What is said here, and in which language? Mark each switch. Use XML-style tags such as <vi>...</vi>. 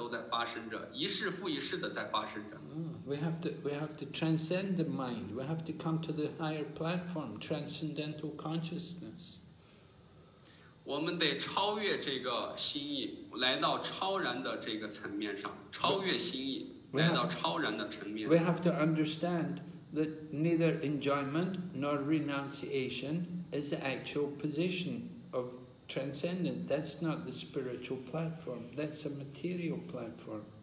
<zh>其实这个事情永恒的在发生着,一生复一生的都在发生着,一世复一世的在发生着。</zh> <en>We have to transcend the mind, we have to come to the higher platform, transcendental consciousness.</en> <zh>我们得超越这个心意,来到超然的这个层面上,超越心意,来到超然的层面上。</zh> <en>We have to understand that neither enjoyment nor renunciation is the actual position of transcendent. That's not the spiritual platform, that's a material platform.</en>